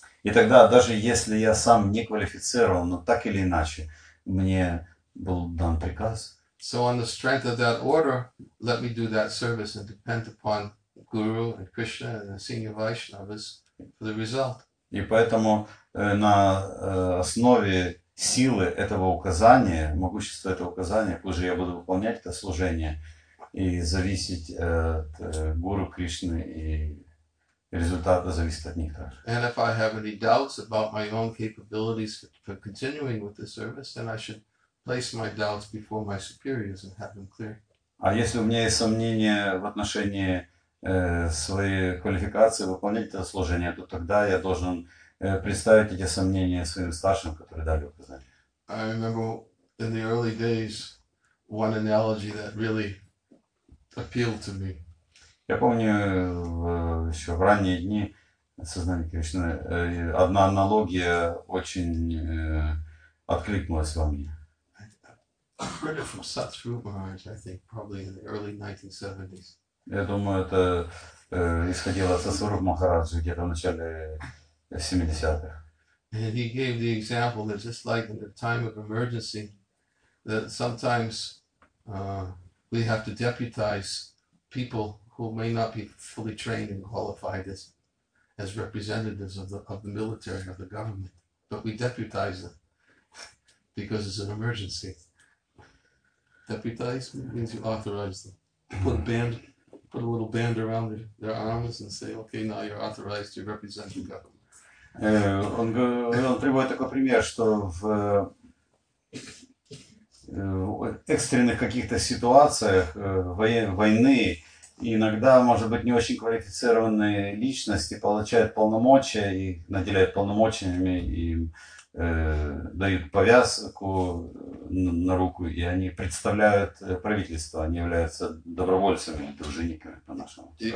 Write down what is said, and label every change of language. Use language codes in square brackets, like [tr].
[ru] И тогда, даже если я сам не квалифицирован, но так или иначе, мне был дан приказ. [en] So on the strength of that order, let me do that service and depend upon Guru and Krishna and the senior Vaishnavas for the result. [ru] И поэтому на основе силы этого указания, могущества этого указания, позже я буду выполнять это служение и зависеть от Гуру Кришны, и результат зависит от них также. [en] And if I have any doubts about my own capabilities for continuing with the service, then I should place my doubts before my superiors and have them clear. [ru] А если у меня есть сомнения в отношении своей квалификации выполнять это служение, то тогда я должен представить эти сомнения своим старшим, которые дали указания. [en] I remember in the early days one analogy that really appealed to me. [ru] Я помню еще в ранние дни сознания Кришны одна аналогия очень откликнулась во мне. [en] I heard it from Satsrupa Maharaj, I think, probably in the early 1970s. [ru] Я думаю, это исходило от Сатсурупы Махараджи где-то в начале 70-х. [en] And he gave the example that just like in a time of emergency, that sometimes we have to deputize people who may not be fully trained and qualified as representatives of the military, of the government. But we deputize them because it's an emergency. Deputize means you authorize them. Put a little band around their arms and say, okay, now you're authorized to represent the government. [ru] Он приводит такой пример, что в экстренных каких-то ситуациях войны иногда, может быть, не очень квалифицированные личности получают полномочия, их наделяют полномочиями, им дают повязку на руку, и они представляют правительство, они являются добровольцами, дружинниками по-нашему.